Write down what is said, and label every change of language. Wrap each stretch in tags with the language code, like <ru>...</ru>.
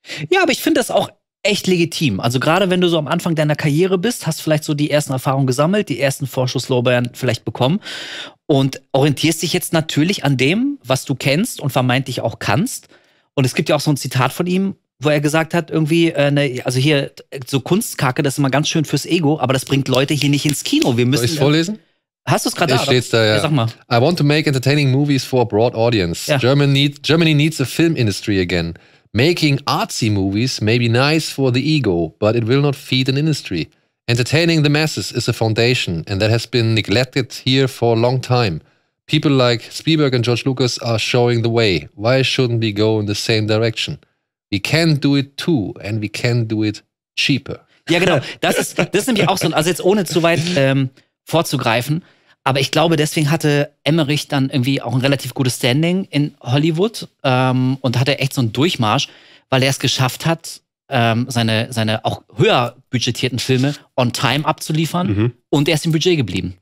<de>Ja, aber ich finde das auch echt legitim. Also gerade wenn du so am Anfang deiner Karriere bist, hast vielleicht so die ersten Erfahrungen gesammelt, die ersten Vorschusslorbeeren vielleicht bekommen und orientierst dich jetzt natürlich an dem, was du kennst und vermeintlich auch kannst. Und es gibt ja auch so ein Zitat von ihm, wo er gesagt hat, irgendwie, also hier, so Kunstkacke, das ist immer ganz schön fürs Ego, aber das bringt Leute hier nicht ins Kino. Wir müssen, soll ich es vorlesen? Hast du es gerade da? Steht's da, ja. Sag mal.</de> <en>I want to make entertaining movies for a broad audience. Ja. Germany needs a film industry again. Making artsy movies may be nice for the ego, but it will not feed an industry. Entertaining the masses is a foundation, and that has been neglected here for a long time. People like Spielberg and George Lucas are showing the way. Why shouldn't we go in the same direction? We can do it too and we can do it cheaper.</en> <de>Ja, genau. Das ist nämlich auch so, also jetzt ohne zu weit vorzugreifen, aber ich glaube, deswegen hatte Emmerich dann irgendwie auch ein relativ gutes Standing in Hollywood und hatte echt so einen Durchmarsch, weil er es geschafft hat, seine auch höher budgetierten Filme on time abzuliefern und er ist im Budget geblieben.</de>